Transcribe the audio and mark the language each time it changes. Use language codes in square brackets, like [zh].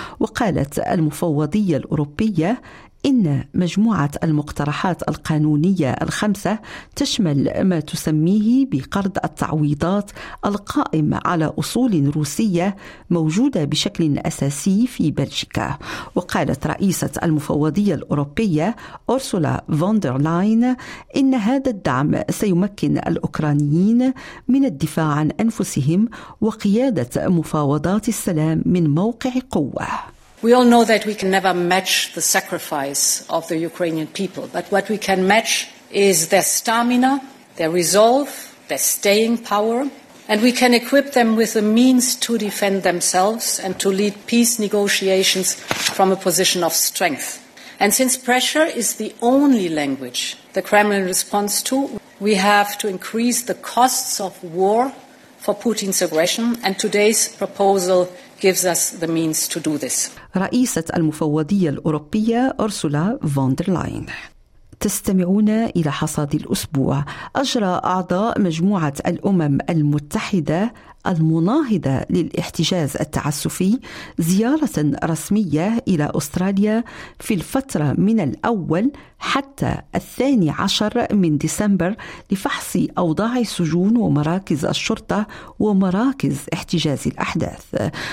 [ar] وقالت المفوضية الأوروبية إن مجموعة المقترحات القانونية الخمسة تشمل ما تسميه بقرض التعويضات القائم على أصول روسية موجودة بشكل أساسي في بلجيكا. وقالت رئيسة المفوضية الأوروبية أورسولا فوندرلاين إن هذا الدعم سيمكن الأوكرانيين من الدفاع عن أنفسهم وقيادة مفاوضات السلام من موقع قوة. [en] We all know that we can never match the sacrifice of the Ukrainian people, but what we can match is their stamina, their resolve, their staying power, and we can equip them with the means to defend themselves and to lead peace negotiations from a position of strength. And since pressure is the only language the Kremlin responds to, we have to increase the costs of war for Putin's aggression, and today's proposal gives us the means to do this. [ar] رئيسة المفوضية الأوروبية أرسولا فوندرلاين. تستمعون إلى حصاد الأسبوع. أجرى أعضاء مجموعة الأمم المتحدة المناهضة للاحتجاز التعسفي زيارة رسمية إلى أستراليا في الفترة من الأول حتى 12 ديسمبر لفحص أوضاع السجون ومراكز الشرطة ومراكز احتجاز الأحداث.